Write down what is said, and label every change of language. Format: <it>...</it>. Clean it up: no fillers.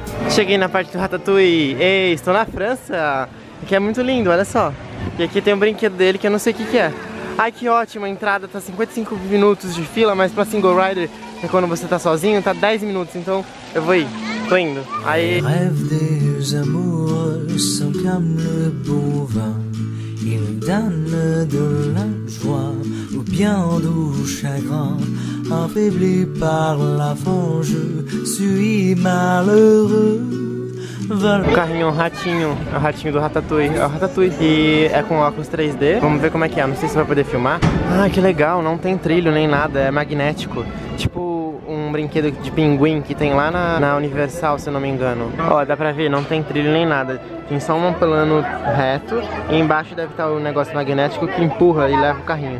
<pt>Cheguei na parte do Ratatouille. Ei, estou na França. Aqui é muito lindo, olha só. E aqui tem um brinquedo dele que eu não sei o que é. Ai, que ótimo, a entrada tá 55 minutos de fila, mas pra single rider, que é quando você tá sozinho, tá 10 minutos. Então eu vou ir, tô indo. Aí.</pt> <fr>deux amoureux s'enclament le bon vin. Il donne de la joie ou bien doux chagrin. Affaibli par la fange, suis malheureux.</fr> <pt>O carrinho é um ratinho, é o ratinho do Ratatouille. É o Ratatouille e é com óculos 3D. Vamos ver como é que é, não sei se vai poder filmar. Ah, que legal, não tem trilho nem nada, é magnético. Tipo um brinquedo de pinguim que tem lá na Universal, se não me engano. Ó, dá pra ver, não tem trilho nem nada. Tem só um plano reto e embaixo deve estar um negócio magnético que empurra e leva o carrinho.</pt>